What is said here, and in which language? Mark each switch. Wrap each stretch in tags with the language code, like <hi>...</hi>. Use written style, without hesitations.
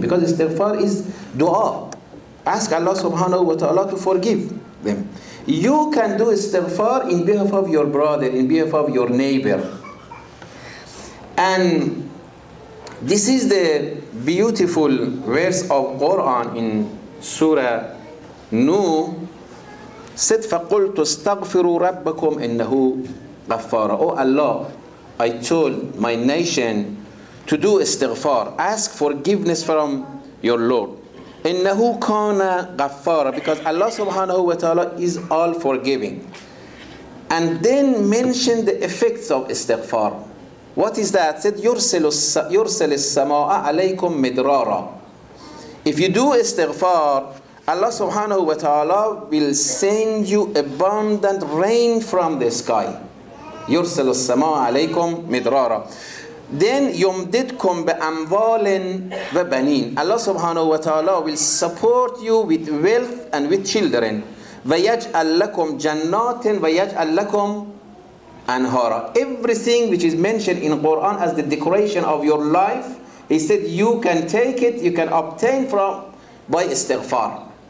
<en>Because istighfar is dua. Ask Allah subhanahu wa ta'ala to forgive them. You can do istighfar in behalf of your brother, in behalf of your neighbor. And this is the beautiful verse of Quran in Surah Nuh.</en> <ar>Said, فَقُلْتُ اسْتَغْفِرُوا رَبَّكُمْ إِنَّهُ غَفَّارًا.</ar> <en>Oh Allah, I told my nation to do istighfar. Ask forgiveness from your Lord. إِنَّهُ كَانَ غَفَّارًا. Because Allah subhanahu wa ta'ala is all forgiving. And then mention the effects of istighfar. What is that?</en> <ar>Said, يُرْسِلُ السَّمَاءَ عَلَيْكُمْ مِدْرَارًا.</ar> <en>If you do istighfar, Allah subhanahu wa ta'ala will send you abundant rain from the sky.</en> <ar>يُرْسِلُ السَّمَاءَ عَلَيْكُمْ مِدْرَارًا. Then يُمْدِدْكُمْ بِأَمْوَالٍ وَبَنِينَ.</ar> <en>Allah subhanahu wa ta'ala will support you with wealth and with children.</en> <ar>وَيَجْعَلْ لَكُمْ جَنَّاتٍ وَيَجْعَلْ لَكُمْ أَنْهَارًا.</ar> <en>Everything which is mentioned in Quran as the decoration of your life, he said you can take it, you can obtain from by istighfar.</en>